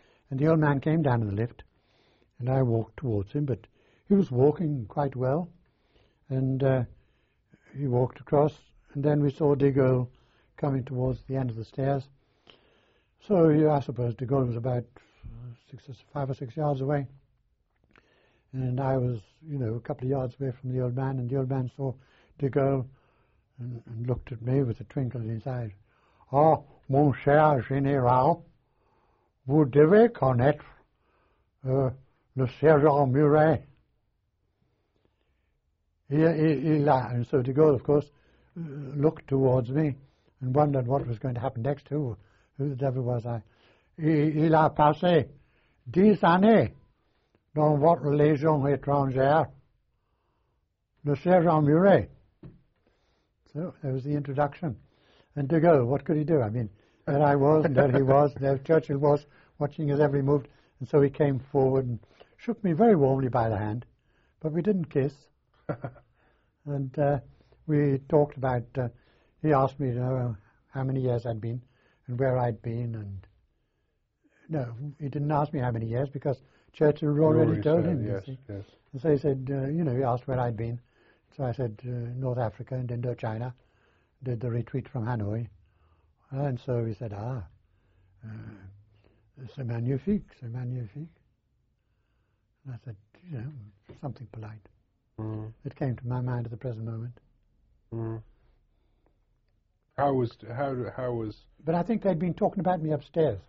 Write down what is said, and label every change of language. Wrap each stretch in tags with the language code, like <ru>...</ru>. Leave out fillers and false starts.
<en>And the old man came down in the lift, and I walked towards him, but he was walking quite well, and he walked across, and then we saw de Gaulle coming towards the end of the stairs. So I suppose de Gaulle was about 5 or 6 yards away. And I was, you know, a couple of yards away from the old man, and the old man saw de Gaulle and looked at me with a twinkle in his eye.</en> <fr>Ah, mon cher général, vous devez connaître le sergent Muret. Il a,</fr> <en>and so de Gaulle, of course, looked towards me and wondered what was going to happen next, who the devil was I.</en> <fr>Il a passé 10 années. Dans votre légion étrangère, le sergent Muret.</fr> <en>So there was the introduction. And de Gaulle, what could he do? I mean, there I was, and there he was, and there Churchill was, watching his every move. And so he came forward and shook me very warmly by the hand, but we didn't kiss. And we talked about, he asked me, you know, how many years I'd been and where I'd been. And no, he didn't ask me how many years because Churchill already told him, yes, you see. Yes. And so he said, you know, he asked where I'd been. So I said, North Africa and Indochina, did the retreat from Hanoi. And so he said,</en> <fr>c'est magnifique, c'est magnifique.</fr> <en>And I said, you know, something polite. Mm. It came to my mind at the present moment. Mm. How was... But I think they'd been talking about me upstairs.</en>